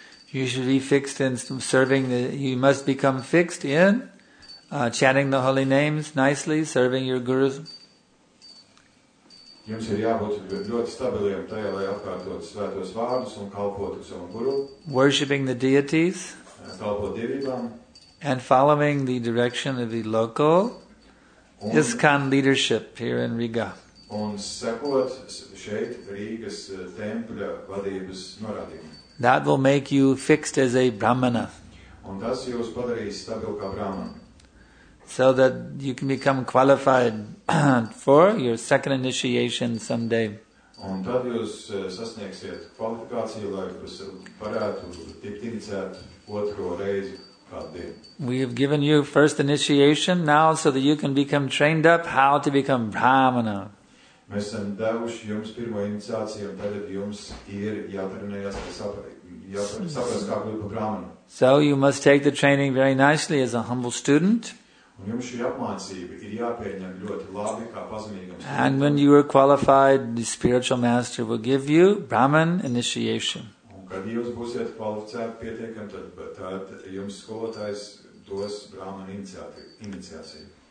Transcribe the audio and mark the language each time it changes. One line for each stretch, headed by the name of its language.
English: You should be fixed in serving you must become fixed in chanting the holy names nicely, serving your gurus.
Latvian: Jums ir jābūt ļoti stabiliem tajā, lai atkārtot svētos vārdus un kalpot savam guru.
English: Worshipping the deities.
Latvian: Kalpot divībām.
English: And following the direction of the local ISKCON leadership here in Riga.
Latvian: Un sekot šeit Rīgas tempļa vadības norādījumiem.
English: That will make you fixed as a brahmana.
Latvian: Un tas jūs padarīs stabil kā brahmana.
English: So that you can become qualified for your second initiation someday.
Latvian: Un tad jūs sasniegsiet kvalifikāciju, lai jūs varētu tikt inicēt otro reizi.
English: We have given you first initiation now so that you can become trained up how to become brahmana.
Latvian: Mēs esam devuši jums pirmo iniciāciju, un tagad jums ir jātrenējas, lai saprastu, kā kļūt par brāmanu.
English: So you must take the training very nicely as a humble student.
Latvian: Un jums šī apmācība ir jāpieņem ļoti labi kā pazemīgam studentam.
English: And when you are qualified, the spiritual master will give you brahman initiation.
Latvian: Un kad jūs būsiet kvalificēti pietiekami, tad jums skolotājs dos brāman iniciāciju.